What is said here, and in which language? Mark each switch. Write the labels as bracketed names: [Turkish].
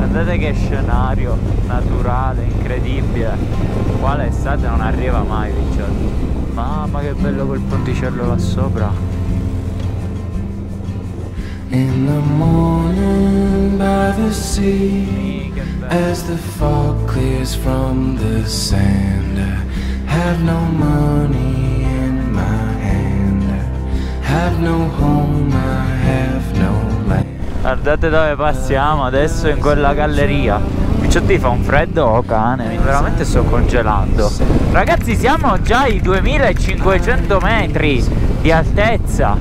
[Italian] Che scenario naturale, incredibile. Qua l'estate non arriva mai, picciotti. Mamma, che bello quel ponticello là sopra. [English] In the morning by the sea, as the fog clears from the sand, have no money in my hand, have no home, I have no. [Italian] Guardate dove passiamo adesso, in quella galleria. Picciotti, fa un freddo, cane, veramente sto congelando. Ragazzi, siamo già ai 2500 metri di altezza.